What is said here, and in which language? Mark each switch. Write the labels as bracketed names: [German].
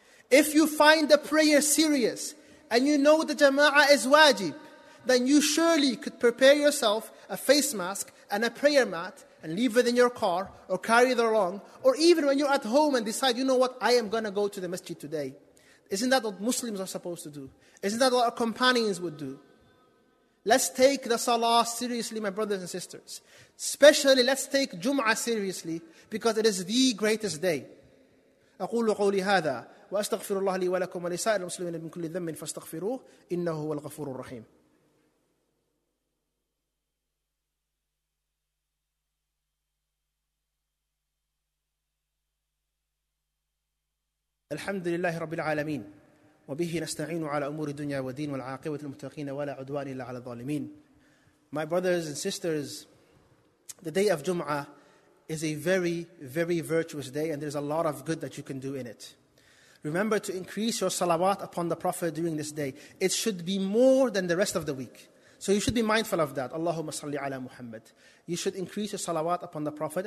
[English] If you find the prayer serious, and you know the jama'ah is wajib, then you surely could prepare yourself a face mask and a prayer mat, and leave it in your car, or carry it along, or even when you're at home and decide, you know what, I am going to go to the masjid today. Isn't that what Muslims are supposed to do? Isn't that what our companions would do? Let's take the salah seriously, my brothers and sisters. Especially, let's take Jum'ah seriously, because it is the greatest day. [Arabic] أقول قولي هذا وأستغفر الله لي ولكم ولسائر المسلمين من كل ذنب فاستغفروه إنه هو الغفور الرحيم. الحمد لله رب العالمين وبه نستعين على أمور الدنيا والدين والعاقبة للمتقين ولا عدوان إلا على الظالمين. [English] My brothers and sisters, the day of Jum'ah is a very, very virtuous day, and there's a lot of good that you can do in it. Remember to increase your salawat upon the Prophet during this day. It should be more than the rest of the week. So you should be mindful of that. [Arabic] Allahumma salli ala Muhammad. [English] You should increase your salawat upon the Prophet.